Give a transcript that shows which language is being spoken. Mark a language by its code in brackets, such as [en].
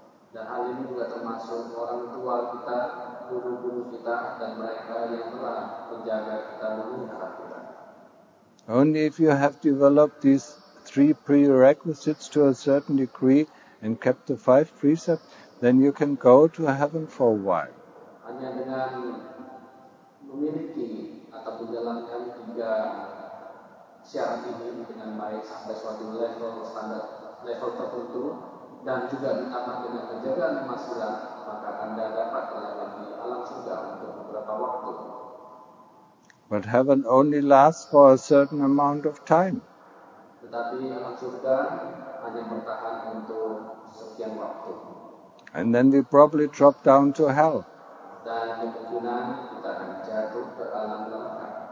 [id] Dan hal ini juga termasuk orang tua kita, guru-guru kita, dan mereka yang telah menjaga kita, memelihara kita. [en] Only if you have developed these three prerequisites to a certain degree and kept the five precepts, then you can go to heaven for a while. [id] Hanya dengan memiliki atau menjalankan tiga syarat ini dengan baik sampai suatu level standar level tertentu dan juga ditambah dengan penjagaan lima sila, maka Anda dapat melewati alam surga untuk beberapa waktu. [en] But heaven only lasts for a certain amount of time. [id] Tetapi alam surga hanya bertahan untuk sekian waktu. [en] And then we probably drop down to hell. [id] Dan kemungkinan kita akan jatuh ke alam neraka.